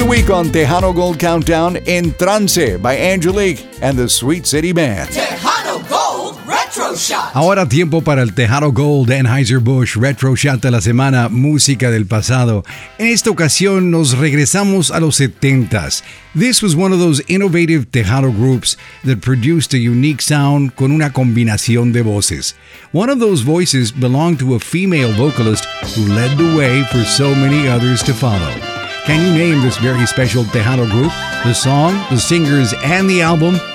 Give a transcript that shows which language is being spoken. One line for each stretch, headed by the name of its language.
English: On Tejano Gold Countdown, Entrance by Angelique and the Sweet City Band. Tejano Gold Retro Shot.
Spanish: Ahora tiempo para el Tejano Gold Anheuser-Busch Retro Shot de la semana, música del pasado. En esta ocasión nos regresamos a los 70s.
English: This was one of those innovative Tejano groups that produced a unique sound
Spanish: con una combinación de voces.
English: One of those voices belonged to a female vocalist who led the way for so many others to follow. Can you name this very special Tejano group, the song, the singers, and the album?